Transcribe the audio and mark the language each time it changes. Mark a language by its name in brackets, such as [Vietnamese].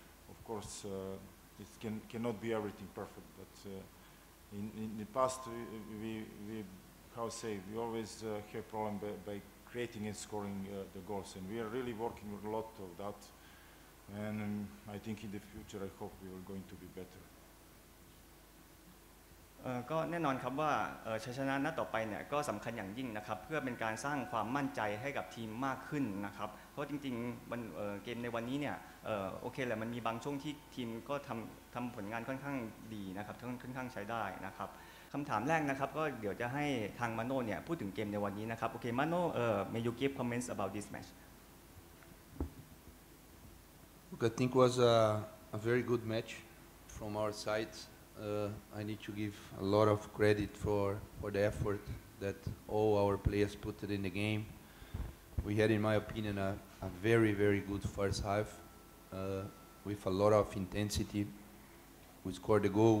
[English] Of course, it cannot be everything perfect, but in the past, we how say, we always have problem by creating and scoring the goals, and we are really working a lot of that. And I think in the future, I hope we are going to be better. [Thai] ก็แน่นอนครับว่าชัยชนะนัดต่อไปเนี่ยก็สำคัญอย่างยิ่งนะครับเพื่อเป็นการสร้างความมั่นใจให้กับทีมมากขึ้นนะครับเพราะจริงๆเกมในวันนี้เนี่ยโอเคแหละมันมีบางช่วงที่ทีมก็ทำผลงานค่อนข้างดีนะครับค่อนข้างใช้ได้นะครับคำถามแรกนะครับก็เดี๋ยวจะให้ทางมาโน่เนี่ยพูดถึงเกมในวันนี้นะครับโอเคมาโน่ [English] may you give comments about this match? Look, I think was a very good match from our side. I need to give a lot of credit for the effort that all our players put in the game. We had, in my opinion, a very, very good first half with a lot of intensity. We scored a goal.